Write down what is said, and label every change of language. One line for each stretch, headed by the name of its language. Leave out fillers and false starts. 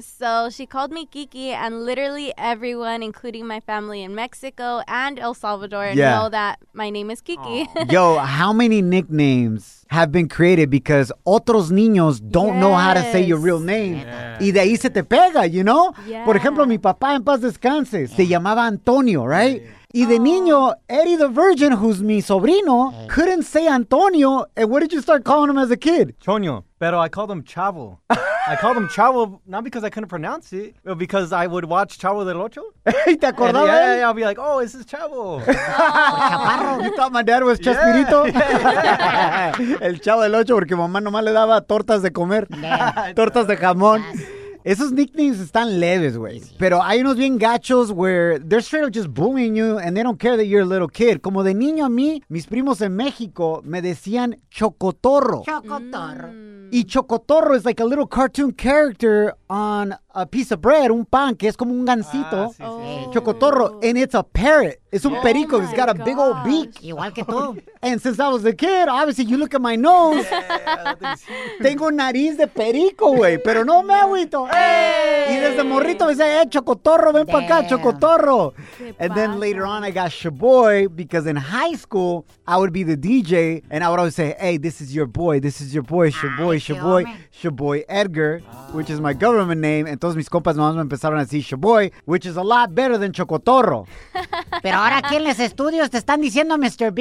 English: So she called me Kiki, and literally everyone, including my family in Mexico and El Salvador, know that my name is Kiki. Yo, how many nicknames have been created because
Spanish: otros niños
English: don't know how to say your real name?
Spanish: Yeah. Y de ahí se te pega,
English: you know? Yeah.
Spanish: Por ejemplo, mi papá en paz descanse, se llamaba Antonio, right?
English: Yeah.
Spanish: Y de niño,
English: Eddie the Virgin, who's
Spanish: mi sobrino,
English: couldn't say Antonio. And what did you start calling him as a kid? Chonio. Pero I called him Chavo. I called him Chavo not because I couldn't pronounce it, but because I would watch Chavo del Ocho.
Spanish: ¿Te acordabas?
English: Yeah, I'll be like, oh, this is Chavo. Chaparro. You thought my dad was Chespirito? Yeah.
Spanish: El Chavo del Ocho, porque mamá nomás le daba tortas de comer. Tortas de jamón. Esos nicknames están leves, güey. Pero hay unos bien gachos
English: where they're straight up just bullying you and they don't care that you're a little kid.
Spanish: Como de niño a mí, mis primos en México me decían Chocotorro. Chocotorro.
English: Y Chocotorro is like a little cartoon character on a piece of bread,
Spanish: un pan, que es como un gansito. Ah, sí, sí.
English: Oh. Chocotorro, and it's a parrot. It's
Spanish: un perico.
English: It's got a big old beak.
Spanish: Igual que tú.
English: And since I was a kid, obviously, you look at my nose.
Spanish: Tengo nariz de perico, güey. Pero no me agüito.
English: Hey.
Spanish: Y desde morrito me decía, Chocotorro, ven para acá, Chocotorro.
English: And then later on, I got Shaboy, because in high school, I would be the DJ, and I would always say, hey, this is your boy. This is your boy, Shaboy, Shaboy, Shaboy Edgar, which is my government name.
Spanish: Entonces mis compas nomás me empezaron a decir Shaboy,
English: which is a lot better than Chocotorro.
Spanish: Pero ahora aquí en los estudios te están diciendo Mr.